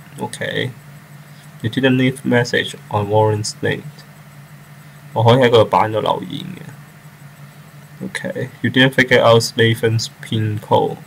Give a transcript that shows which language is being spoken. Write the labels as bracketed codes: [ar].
[en] OK， You didn't leave message on Warren's name。 [zh] 我可以在那個版上留言的。 [en] Okay, you didn't figure out Slaven's pin code.